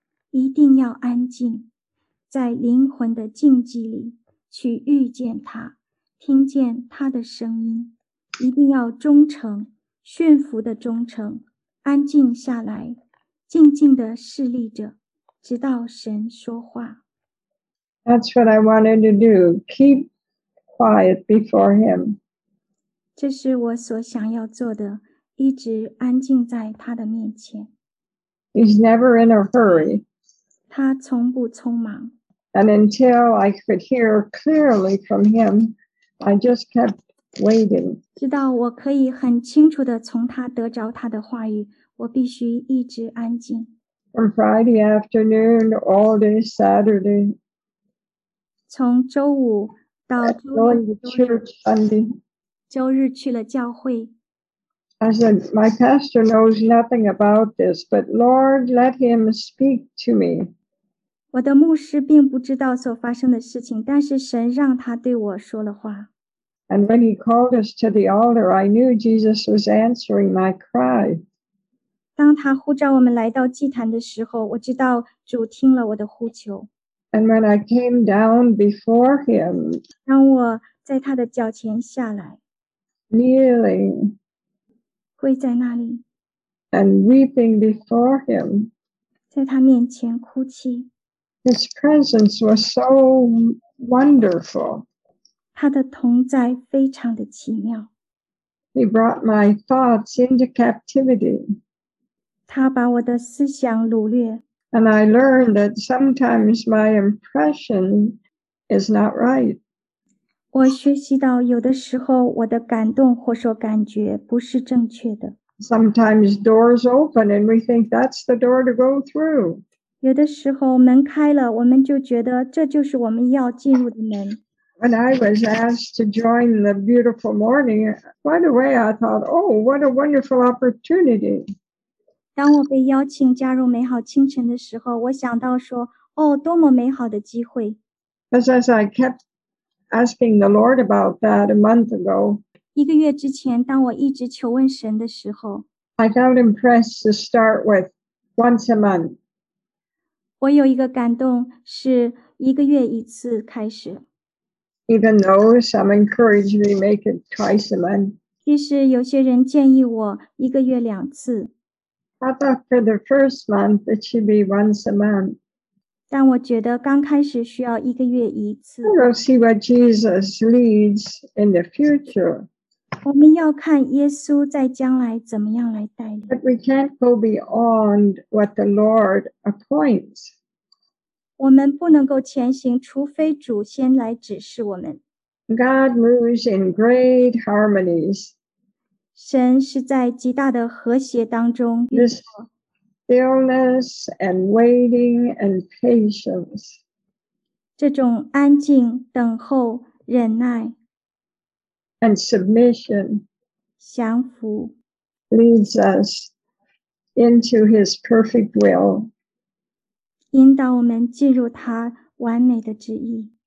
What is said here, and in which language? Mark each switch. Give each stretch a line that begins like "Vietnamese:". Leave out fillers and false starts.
Chinese: 一定要安静，在灵魂的静寂里去遇见他，听见他的声音。一定要忠诚，驯服的忠诚，安静下来，静静地侍立着，直到神说话。
English: That's what I wanted to do, keep quiet before him.
Chinese: 这是我所想要做的，一直安静在他的面前。
English: He's never in a hurry.
Chinese: 他从不匆忙。
English: And until I could hear clearly from him, I just kept waiting.
Chinese: 直到我可以很清楚地从他得着他的话语，我必须一直安静。
English: From Friday afternoon all day Saturday.
Chinese: 从周五到周日。
English: Going to church Sunday.
Chinese: 周日去了教会。
English: I said, my pastor knows nothing about this, but Lord, let him speak to me.
Chinese: 我的牧师并不知道所发生的事情，但是神让他对我说了话。
English: And when he called us to the altar, I knew Jesus was answering my cry.
Chinese: 当他呼召我们来到祭坛的时候，我知道主听了我的呼求。
English: And when I came down before him,
Chinese: 当我在他的脚前下来,
English: kneeling,
Chinese: 跪在那里,
English: and weeping before him,
Chinese: 在他面前哭泣,
English: his presence was so wonderful.
Chinese: 他的同在非常的奇妙。
English: He brought my thoughts into captivity.
Chinese: 他把我的思想掳掠。
English: And I learned that sometimes my impression is not right.
Chinese: 我学习到有的时候我的感动或说感觉不是正确的。
English: Sometimes doors open and we think that's the door to go through.
Chinese: 有的时候门开了我们就觉得这就是我们要进入的门。
English: When I was asked to join the beautiful morning, right away I thought, oh, what a wonderful opportunity.
Chinese: 当我被邀请加入美好清晨的时候，我想到说，哦，多么美好的机会。
English: But as I kept asking the Lord about that a month ago,
Chinese: 一个月之前，当我一直求问神的时候，
English: I felt impressed to start with once a month.
Chinese: 我有一个感动，是一个月一次开始。
English: Even though some encourage me to make it twice a month.
Chinese: 其实有些人建议我一个月两次。
English: I thought for the first month it should be once a month.
Chinese: 但我觉得刚开始需要一个月一次。
English: We'll see what Jesus leads in the future.
Chinese: 我们要看耶稣在将来怎么样来带领。
English: But we can't go beyond what the Lord appoints.
Chinese: 我们不能够前行，除非主先来指示我们。
English: God moves in great harmonies.
Chinese: 神是在极大的和谐当中运作。
English: Stillness and waiting and patience.
Chinese: 这种安静、等候、忍耐。
English: And submission.
Chinese: 降服。
English: Leads us into his perfect will.
Chinese: 引导我们进入他完美的旨意。